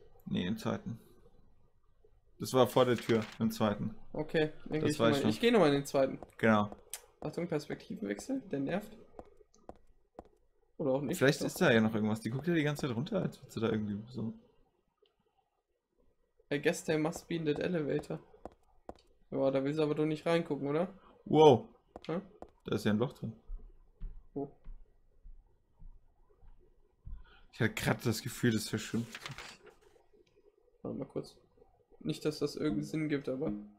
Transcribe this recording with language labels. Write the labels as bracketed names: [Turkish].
[German] Nee, im zweiten. Das war vor der Tür, im zweiten. Okay, dann das geh ich nochmal. Ich geh nochmal in den zweiten. Genau. Achtung, Perspektivenwechsel, der nervt. Oder auch nicht. Vielleicht ist da ja noch irgendwas. Die guckt ja die ganze Zeit runter, als würdest du da irgendwie so. [English] I guess there must be in that elevator. [German] Boah, da willst du aber doch nicht reingucken, oder? Wow. Hm? Da ist ja ein Loch drin. Ich hatte gerade das Gefühl, das verschwimmt. Warte mal kurz. Nicht, dass das irgendeinen Sinn gibt, aber.